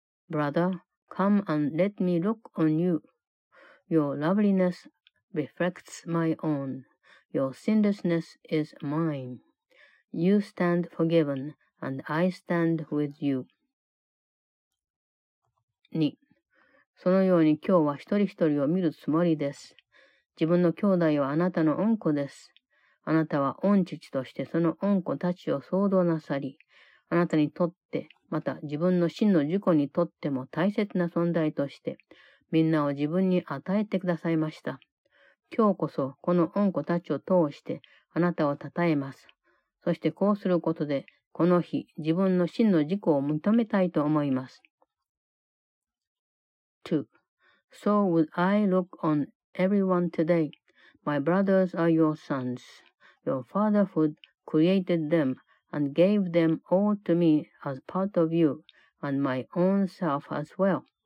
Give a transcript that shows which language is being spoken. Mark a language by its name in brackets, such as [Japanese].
[English] Brother, come and let me look on you. Your loveliness reflects my own. Your sinlessness is mine. You stand forgiven, and I stand with you. 2. [Japanese] そのように今日は一人一人を見るつもりです。自分の兄弟はあなたの恩子です。あなたは恩父としてその恩子たちを創造なさり、あなたにとって、また自分の真の自己にとっても大切な存在として、みんなを自分に与えてくださいました。今日こそこの恩子たちを通してあなたを称えます。そしてこうすることで、この日自分の真の自己を認めたいと思います。 2. [English] So would I look on Everyone today, my brothers are your sons. Your fatherhood created them and gave them all to me as part of you and my own self as well.